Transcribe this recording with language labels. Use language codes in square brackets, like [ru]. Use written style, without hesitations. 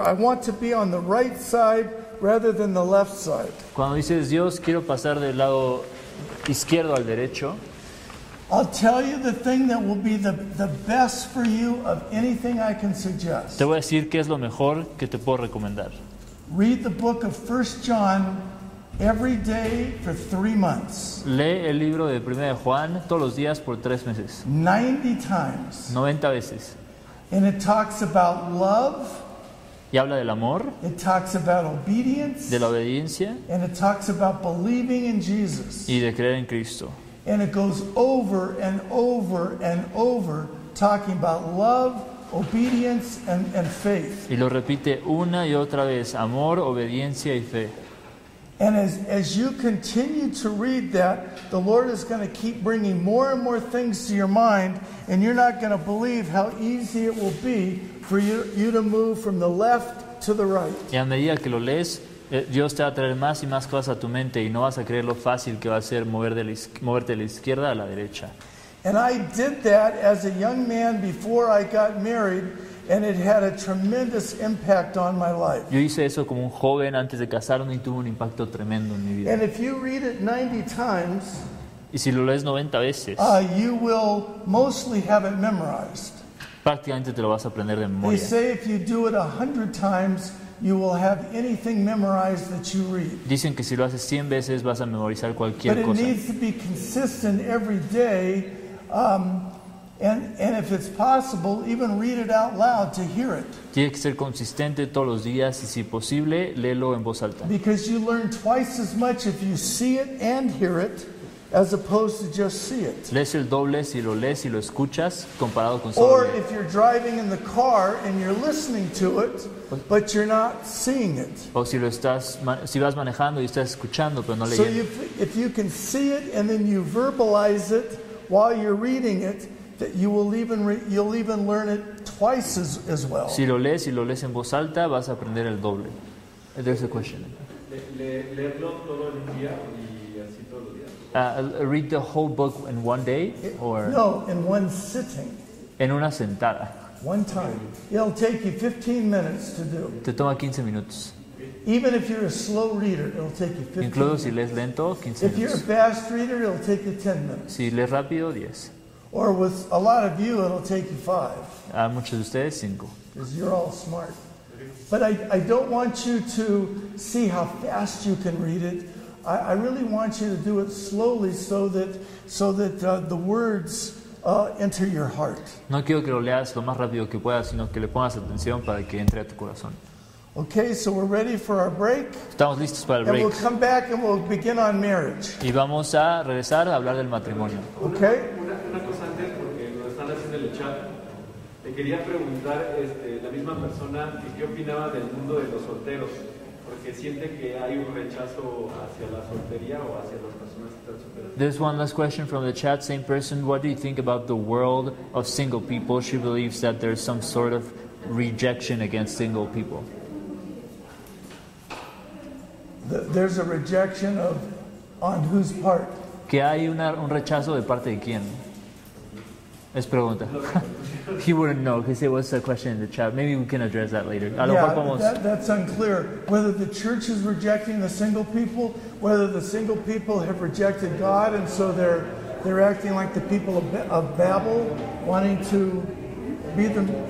[en] I want to be on the right side rather than the left side. [es] Cuando dices, Dios, quiero pasar del lado izquierdo al derecho. [en] I'll tell you the thing that will be the best for you of anything I can suggest. [es] Te voy a decir qué es lo mejor que te puedo recomendar. [en] Read the book of 1 John every day for 3 months. [es] Lee el libro de 1 Juan todos los días por 3 meses. [en] 90 times. [es] 90 veces. [en] And it talks about love. [es] Y habla del amor. [en] It talks about obedience. [es] De la obediencia. [en] And it talks about believing in Jesus. [es] Y de creer en Cristo. [en] And it goes over and over and over talking about love, obedience, and faith. [es] Y lo repite una y otra vez, amor, obediencia y fe. [en] And as you continue to read that, the Lord is going to keep bringing more and more things to your mind, and you're not going to believe how easy it will be for you to move from the left to the right. [es] Y a medida que lo lees, Dios te va a traer más y más cosas a tu mente y no vas a creer lo fácil que va a ser moverte de la izquierda a la derecha. [en] And I did that as a young man before I got married, and it had a tremendous impact on my life. [es] Yo hice eso como un joven antes de casarme y tuvo un impacto tremendo en mi vida. [en] And if you read it 90 times, [es] y si lo lees 90 veces, [en] you will mostly have it memorized. [es] Prácticamente te lo vas a aprender de memoria. [en] They say if you do it 100 times, you will have anything memorized that you read. [es] Dicen que si lo haces 100 veces vas a memorizar cualquier cosa. [en] But it needs to be consistent every day, and if it's possible, even read it out loud to hear it. [es] Tiene que ser consistente todos los días y si posible, léelo en voz alta. [en] Because you learn twice as much if you see it and hear it, as opposed to just see it. [es] Lees el doble si lo lees y lo escuchas comparado con solo. [en] Or if you're driving in the car and you're listening to it, but you're not seeing it. [es] O si lo estás, si vas manejando y estás escuchando pero no leyendo. [en] So if you can see it and then you verbalize it while you're reading it, that you will even you'll even learn it twice as well. [es] Si lo lees y lo lees en voz alta, vas a aprender el doble. [en] There's a question. [es] Leerlo todo el día y así todos los días. [en] Read the whole book in one day, or no, in one sitting. [es] En una sentada. [en] One time. It'll take you 15 minutes to do. [es] Te toma 15 minutos. [en] Even if you're a slow reader, it'll take you 15. [es] Incluso si lees lento, 15 [en] minutes. If you're a fast reader, it'll take you 10 minutes. [es] Si lees rápido, 10. [en] Or with a lot of you, it'll take you 5. [es] A muchos de ustedes, 5. [en] Because you're all smart. But I don't want you to see how fast you can read it. I really want you to do it slowly so that the words enter your heart. [es] No quiero que lo leas lo más rápido que puedas, sino que le pongas atención para que entre a tu corazón. [en] Okay, so we're ready for our break. [es] Estamos listos para el break. [en] And we'll come back and we'll begin on marriage. [es] Y vamos a regresar a hablar del matrimonio. [en] Okay. [es] Una cosa antes, porque lo están haciendo en el chat. Te quería preguntar, la misma persona, ¿qué opinaba del mundo de los solteros? Porque siente que hay un rechazo hacia la soltería o hacia las personas que están solteras. [en] This one last question from the chat, same person. What do you think about the world of single people? She believes that there's some sort of rejection against single people. There's a rejection of on whose part? [es] Que hay un rechazo de parte de quién? Es pregunta. [en] He wouldn't know because it was a question in the chat. Maybe we can address that later. That's unclear. Whether the church is rejecting the single people, whether the single people have rejected God, and so they're acting like the people of Babel, wanting to be the.